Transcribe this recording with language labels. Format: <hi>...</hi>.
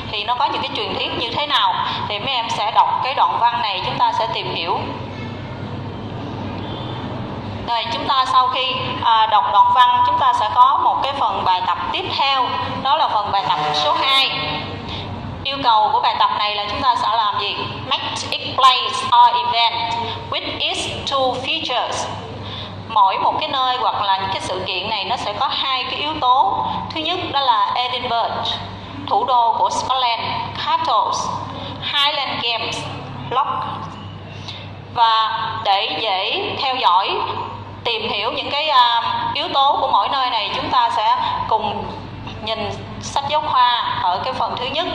<vi>Thì nó có những cái truyền thuyết như thế nào? Thì mấy em sẽ đọc cái đoạn văn này, chúng ta sẽ tìm hiểu. Rồi chúng ta sau khi đọc đoạn văn, chúng ta sẽ có một cái phần bài tập tiếp theo. Đó là phần bài tập số 2. Yêu cầu của bài tập này là chúng ta sẽ làm gì?</vi> <en>Match a place or event with its two features.</en> <vi>Mỗi một cái nơi hoặc là những cái sự kiện này nó sẽ có hai cái yếu tố. Thứ nhất đó là Edinburgh, thủ đô của Scotland, Castles, Highland Games, Loch. Và để dễ theo dõi, tìm hiểu những cái yếu tố của mỗi nơi này, chúng ta sẽ cùng nhìn sách giáo khoa ở cái phần thứ nhất.</vi>